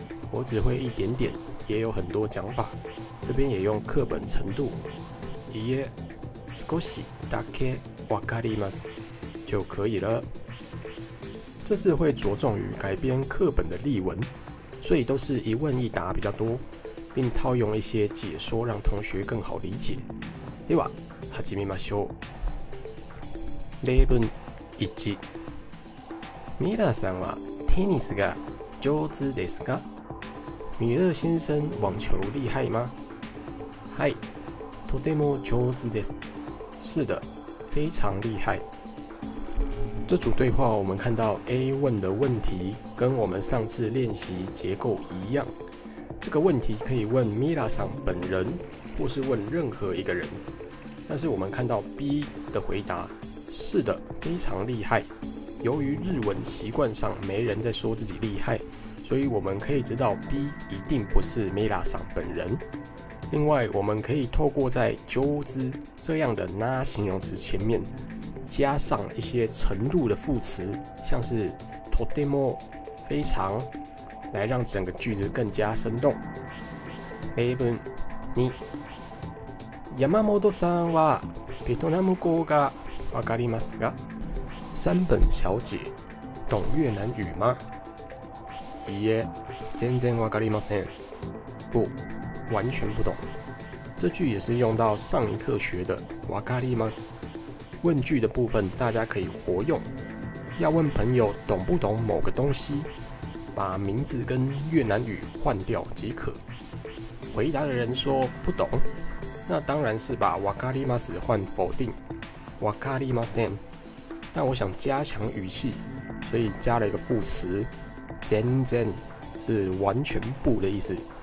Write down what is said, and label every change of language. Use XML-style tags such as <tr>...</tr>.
<zh>我只会一点点，也有很多讲法。这边也用课本程度，</zh> <ja>いえ、少しだけわかります</ja> <zh>就可以了。这次会着重于改编课本的例文，所以都是一问一答比较多，并套用一些解说让同学更好理解。</zh> <ja>では、始めましょう。例文一、ミラさんはテニスが上手ですか？</ja> <zh>米勒先生网球厉害吗？嗨，</zh> <ja>とても上手です。</ja> <zh>是的，非常厉害。这组对话我们看到 A 问的问题跟我们上次练习结构一样，这个问题可以问 Mira 桑本人或是问任何一个人，但是我们看到 B 的回答是的，非常厉害。由于日文习惯上没人在说自己厉害，所以我们可以知道 B 一定不是 Mira 桑本人。另外我们可以透过在就知这样的那形容词前面加上一些程度的副词，像是とても非常，来让整个句子更加生动。</zh> <ja>例文に、山本さんはベトナム語がわかりますか？</ja> <zh>山本小姐懂越南语吗？</zh> <ja>いえ、全然わかりません。</ja> <zh>不，完全不懂。这句也是用到上一课学的わかります。问句的部分大家可以活用，要问朋友懂不懂某个东西，把名字跟越南语换掉即可。回答的人说不懂，那当然是把わかります换否定わかりません，但我想加强语气，所以加了一个副词全然，是完全不的意思。</zh>